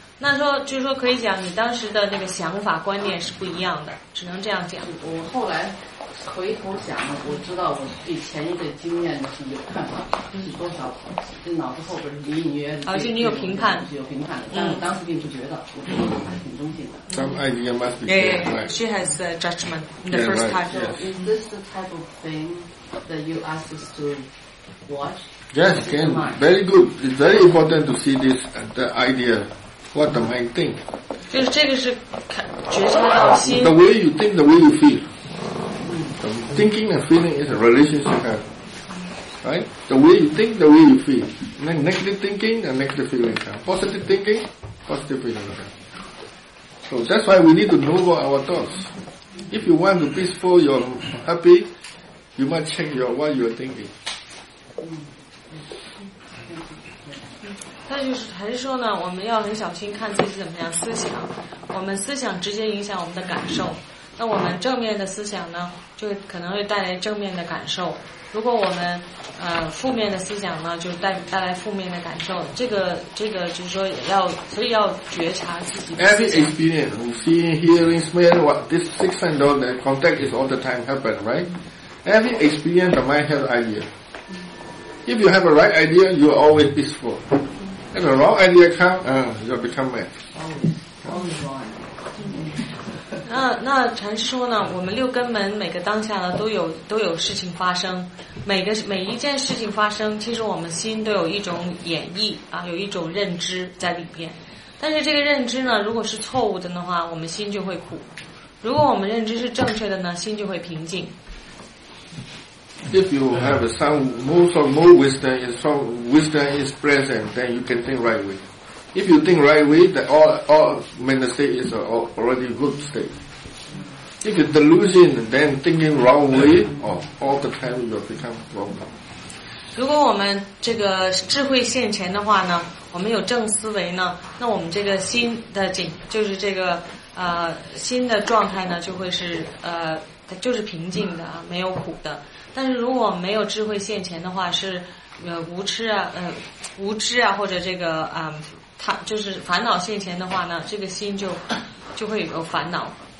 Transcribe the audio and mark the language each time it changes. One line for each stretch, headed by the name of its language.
Chinese: 那说就是说可以讲你当时的那个想法观念是不一样的，只能这样讲。我后来回头想了，我知道我对前一个经验是有看法，是多少这脑子后边是隐隐约约。而且你有评判，是有评判的，但我当时并不觉得，我觉得我还挺中性的。
English: Some idea must be there. Yeah, she has a judgment in the first part. Yeah, right. Is this the type of thing that you ask us to watch? Yes, can. Very good. It's very important to see this the idea. What the mind think?
Chinese: 就是这个是觉察到心。
English: The way you think, the way you feel. The thinking and feeling is a relationship, right? The way you think, the way you feel. Then negative thinking and negative feeling. Positive thinking, positive feeling. So that's why we need to know our thoughts. If you want to be peaceful, you're happy, you must check your what you're thinking.
Chinese: 他就是还是说呢，我们要很小心看自己怎么样思想，我们思想直接影响我们的感受，那我们正面的思想呢就可能会带来正面的感受，如果我们负面的思想呢就带来负面的感受，这个就是说也要，所以要觉察自己的思想。
English: Every experience we see, hearing, smell, what this six and all the contact is all the time happen, right? Every experience the mind has idea. If you have a right idea, you are always peacefulIf a wrong idea comes, you'll become mad. Always wrong.
Chinese: 那禅师说呢，我们六根门每个当下呢都有事情发生，每一件事情发生，其实我们心都有一种演绎啊，有一种认知在里边。但是这个认知呢，如果是错误的话，我们心就会苦；如果我们认知是正确的呢，心就会平静。
English: If you have more wisdom, if some wisdom is present, then you can think right way. If you think right way, then all mental state is already good state. If you're delusion, then thinking wrong way, all the time you become wrong.
Chinese: 如果我们这个智慧现前的话呢，我们有正思维呢，那我们这个心的境，就是这个心的状态呢，就会是就是平静的，没有苦的。但是如果没有智慧现前的话，是无知啊，或者这个他就是烦恼现前的话呢，这个心就会有烦恼。